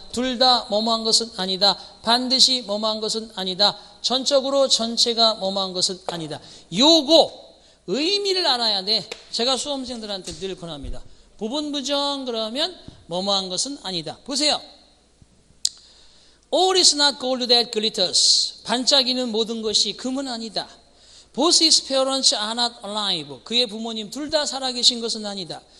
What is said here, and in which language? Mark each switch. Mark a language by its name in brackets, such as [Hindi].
[Korean] 둘 다 뭐뭐 한 것은 아니다. 반드시 뭐뭐 한 것은 아니다. 전적으로 전체가 뭐뭐 한 것은 아니다. 요거 의미를 알아야 돼. 제가 수험생들한테 늘 권합니다. 부분부정 그러면 뭐뭐한 것은 아니다. 보세요. [English] All is not gold that glitters. [Korean] 반짝이는 모든 것이 금은 아니다. [English] Both his parents are not alive. [Korean] 그의 부모님 둘 다 살아계신 것은 아니다.